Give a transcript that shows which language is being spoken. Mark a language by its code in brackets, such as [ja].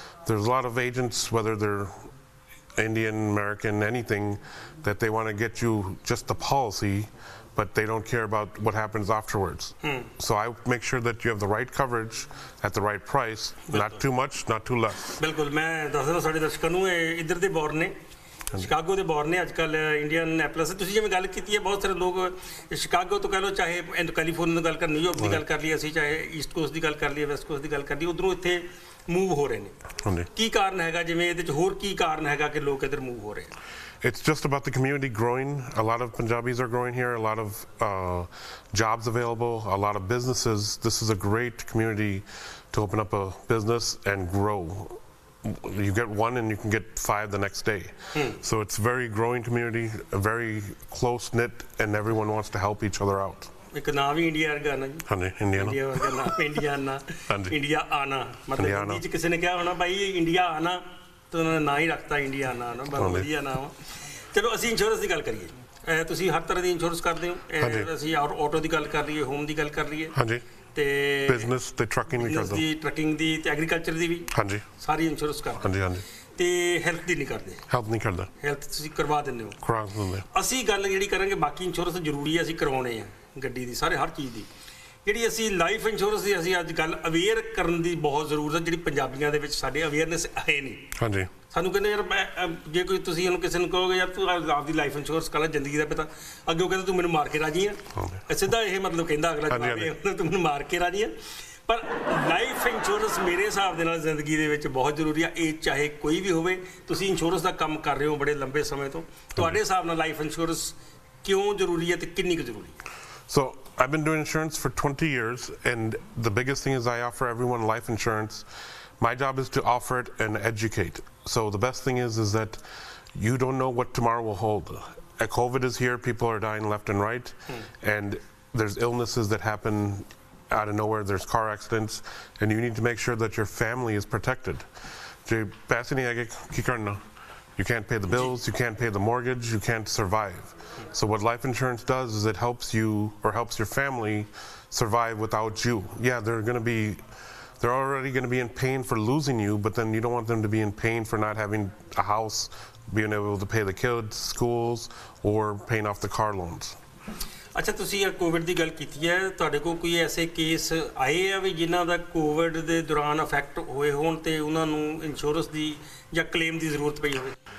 [en] There's a lot of agents, whether they're Indian, American, anything, that they want to get you just the policy, but they don't care about what happens afterwards. So I make sure that you have the right coverage at the right price. Bilkul. Not too much, not too less. [pa] Bilkul. Main dasna sade darshakan nu, idhar de bor ne Chicago ਦੇ ਬੌਰ ਨੇ ਅੱਜ ਕੱਲ੍ਹ ਇੰਡੀਅਨਐਪਲਿਸ ਤੁਸੀਂ ਜਿਵੇਂ ਗੱਲ ਕੀਤੀ ਹੈ ਬਹੁਤ ਸਾਰੇ ਲੋਕ ਸ਼ਿਕਾਗੋ ਤੋਂ ਕਹਿ ਲਓ ਚਾਹੇ ਕੈਲੀਫੋਰਨੀਆ ਦੀ ਗੱਲ ਕਰ ਨਿਊਯਾਰਕ ਦੀ ਗੱਲ ਕਰ ਲਈਏ ਅਸੀਂ ਚਾਹੇ ਈਸਟ ਕੋਸਟ ਦੀ ਗੱਲ ਕਰ ਲਈਏ ਵੈਸਟ ਕੋਸਟ ਦੀ ਗੱਲ ਕਰ ਲਈਏ ਉਧਰੋਂ ਇੱਥੇ ਮੂਵ ਹੋ ਰਹੇ ਨੇ ਕੀ ਕਾਰਨ ਹੈਗਾ ਜਿਵੇਂ ਇਹਦੇ 'ਚ ਹੋਰ ਕੀ ਕਾਰਨ ਹੈਗਾ ਕਿ ਲੋਕ ਇੱਧਰ ਮੂਵ ਹੋ ਰਹੇ ਨੇ [en] It's just about the community growing. A lot of Punjabis are growing here. A lot of jobs available. A lot of businesses. This is a great community to open up a business and grow. You get one and you can get five the next day. Hmm. So it's a very growing community, a very close-knit, and everyone wants to help each other out. [pa] ਇੱਕ ਨਾਂ ਵੀ India ਵਰਗਾ ਨਾ ਜੀ ਹਾਂਜੀ India India ਵਰਗਾ ਨਾ India ਆਨਾ ਹਾਂਜੀ ਇੰਡੀਆ ਆਨਾ ਮਤਲਬ ਹਿੰਦੀ ਚ ਕਿਸੇ ਨੇ ਕਿਹਾ ਹੋਣਾ ਬਾਈ ਇੰਡੀਆ ਆਨਾ ਤਾਂ ਉਹਨਾਂ ਨੇ ਨਾਂ ਹੀ ਰੱਖਤਾ ਇੰਡੀਆ ਆਨਾ ਨਾ ਬਸ ਵਧੀਆ ਨਾਂ ਵਾ ਚਲੋ ਅਸੀਂ ਇੰਸ਼ੋਰੈਂਸ ਦੀ ਗੱਲ ਕਰੀਏ ਤੁਸੀਂ ਹਰ ਤਰ੍ਹਾਂ ਦੀ ਇੰਸ਼ੋਰੈਂਸ ਕਰਦੇ ਹੋ ਅਸੀਂ ਔਰ ਆਟੋ ਦੀ ਗੱਲ ਕਰ ਲਈਏ ਹੋਮ ਦੀ ਗੱਲ ਕਰ ਲਈਏ ਹਾਂਜੀ ਤੇ ਬਿਜ਼ਨਸ ਤੇ ਟਰੱਕਿੰਗ ਵੀ ਕਰਦੇ ਹਾਂ ਜੀ ਟਰੱਕਿੰਗ ਦੀ ਤੇ ਐਗਰੀਕਲਚਰ ਦੀ ਵੀ ਹਾਂਜੀ ਸਾਰੀ ਇੰਸ਼ੋਰੈਂਸ ਕਰਦੇ ਹਾਂਜੀ ਹਾਂਜੀ ਤੇ ਹੈਲਥ ਦੀ ਨਹੀਂ ਕਰਦੇ ਹੈਲਥ ਨਹੀਂ ਕਰਦਾ ਹੈਲਥ ਤੁਸੀਂ ਕਰਵਾ ਦਿੰਦੇ ਹੋ ਕਰਵਾ ਦਿੰਦੇ ਅਸੀਂ ਗੱਲ ਜਿਹੜੀ ਕਰਾਂਗੇ ਬਾਕੀ ਇੰਸ਼ੋਰੈਂਸ ਜ਼ਰੂਰੀ ਹੈ ਅਸੀਂ ਕਰਵਾਉਣੇ ਆ ਗੱਡੀ ਦੀ ਸਾਰੇ ਹਰ ਚੀਜ਼ ਦੀ ਜਿਹੜੀ ਅਸੀਂ ਲਾਈਫ ਇੰਸ਼ੋਰੈਂਸ ਦੀ ਅਸੀਂ ਅੱਜ ਗੱਲ ਅਵੇਅਰ ਕਰਨ ਦੀ ਬਹੁਤ ਜ਼ਰੂਰਤ ਹੈ ਜਿਹੜੀ ਪੰਜਾਬੀਆਂ ਦੇ ਵਿੱਚ ਸਾਡੇ ਅਵੇਅਰਨੈਸ ਹੈ ਨਹੀਂ ਹਾਂਜੀ ਸਾਨੂੰ ਕਹਿੰਦੇ ਯਾਰ ਜੇ ਕੋਈ ਤੁਸੀਂ ਉਹਨੂੰ ਕਿਸੇ ਨੂੰ ਕਹੋਗੇ ਯਾਰ ਤੂੰ ਆਪਦੀ ਲਾਈਫ ਇੰਸ਼ੋਰੈਂਸ ਕਰ ਲੈ ਜ਼ਿੰਦਗੀ ਦਾ ਪਤਾ ਅੱਗੇ ਉਹ ਕਹਿੰਦਾ ਤੂੰ ਮੈਨੂੰ ਮਾਰ ਕੇ ਰਾਜੀ ਆ ਸਿੱਧਾ ਇਹ ਮਤਲਬ ਕਹਿੰਦਾ ਅਗਲਾ ਜਵਾਬ ਤੂੰ ਮੈਨੂੰ ਮਾਰ ਕੇ ਰਾਜੀ ਆ ਪਰ ਲਾਈਫ ਇੰਸ਼ੋਰੈਂਸ ਮੇਰੇ ਹਿਸਾਬ ਦੇ ਨਾਲ ਜ਼ਿੰਦਗੀ ਦੇ ਵਿੱਚ ਬਹੁਤ ਜ਼ਰੂਰੀ ਆ ਇਹ ਚਾਹੇ ਕੋਈ ਵੀ ਹੋਵੇ ਤੁਸੀਂ ਇੰਸ਼ੋਰੈਂਸ ਦਾ ਕੰਮ ਕਰ ਰਹੇ ਹੋ ਬੜੇ ਲੰਬੇ ਸਮੇਂ ਤੋਂ ਤੁਹਾਡੇ ਹਿਸਾਬ ਨਾਲ ਲਾਈਫ ਇੰਸ਼ੋਰੈਂਸ ਕਿਉਂ ਜ਼ਰੂਰੀ ਹੈ ਤੇ ਕਿੰਨੀ ਕੁ ਜ਼ਰੂਰੀ [en] so I've been doing insurance for 20 years and the biggest thing is I offer everyone life insurance my job is to offer it and educate so the best thing is that you don't know what tomorrow will hold a covid is here people are dying left and right and there's illnesses that happen out of nowhere there's car accidents and you need to make sure that your family is protected [pa] jay paise nahi aage ki karna [en] you can't pay the bills you can't pay the mortgage you can't survive so what life insurance does is it helps you or helps your family survive without you yeah they're already going to be in pain for losing you but then you don't want them to be in pain for not having a house being able to pay the kids schools or paying off the car loans [pa] ਅੱਛਾ ਤੁਸੀਂ ਯਾਰ Covid ਦੀ ਗੱਲ ਕੀਤੀ ਹੈ ਤੁਹਾਡੇ ਕੋਲ ਕੋਈ ਐਸੇ ਕੇਸ ਆਏ ਆ ਵੀ ਜਿਨ੍ਹਾਂ ਦਾ ਕੋਵਿਡ ਦੇ ਦੌਰਾਨ ਅਫੈਕਟ ਹੋਏ ਹੋਣ ਤੇ ਉਹਨਾਂ ਨੂੰ ਇੰਸ਼ੋਰੈਂਸ ਦੀ ਜਾਂ ਕਲੇਮ ਦੀ ਜ਼ਰੂਰਤ ਪਈ ਹੋਵੇ